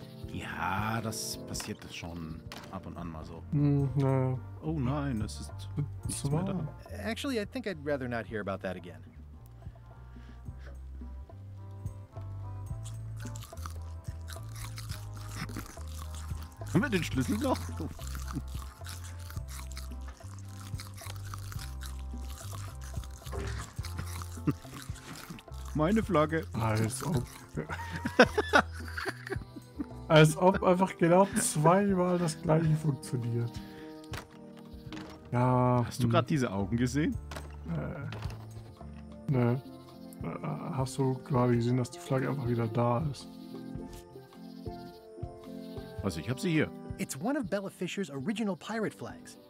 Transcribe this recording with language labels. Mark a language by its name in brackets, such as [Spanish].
[German] Ja, das passiert schon ab und an mal so. Mm, oh nein, es ist nichts mehr da. [English] Actually, I think I'd rather not hear about that again. [German] Haben wir den Schlüssel noch? Meine Flagge. Als ob. Als ob einfach genau zweimal das gleiche funktioniert. Ja. Hast du gerade diese Augen gesehen? Nee. Hast du gerade gesehen, dass die Flagge einfach wieder da ist? Also, ich hab sie hier. [English] It's one of Bella Fisher's original pirate flags.